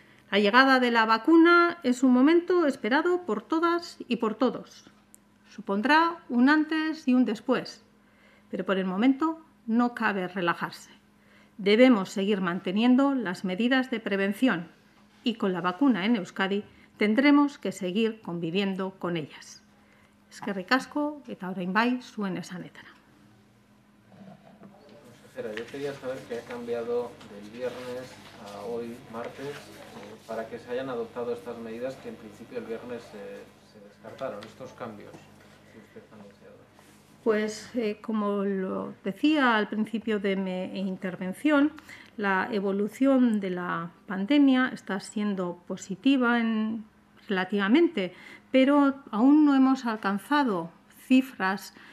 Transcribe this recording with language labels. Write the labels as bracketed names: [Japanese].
[Spanish] La llegada de la vacuna es un momento esperado por todas y por todos. Supondrá un antes y un después, pero por el momento no cabe relajarse. Debemos seguir manteniendo las medidas de prevención y con la vacuna en Euskadi tendremos que seguir conviviendo con ellas. [Basque] Eskerrik asko eta orain bai zuen esanetara. [Spanish] Consejera, yo quería saber qué ha cambiado del viernes a hoy, martes, para que se hayan adoptado estas medidas que en principio el viernes se descartaron, estos cambios que usted ha anunciado. Pues, como lo decía al principio de mi intervención, la evolución de la pandemia está siendo positiva relativamente, pero aún no hemos alcanzado cifras